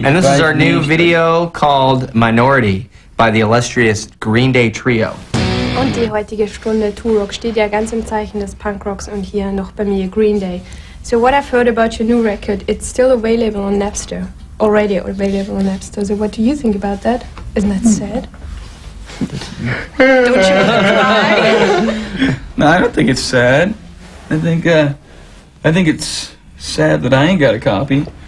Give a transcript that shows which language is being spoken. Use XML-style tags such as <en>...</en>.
<en>And this is our new video called Minority by the illustrious Green Day Trio.</en> <de>Und die heutige Stunde Turok steht ja ganz im Zeichen des Punkrocks und hier noch bei mir Green Day.</de> <en>So what I've heard about your new record, it's still available on Napster. Already available on Napster. So what do you think about that? Isn't that sad? Don't you cry? No, I don't think it's sad. I think it's sad that I ain't got a copy.</en>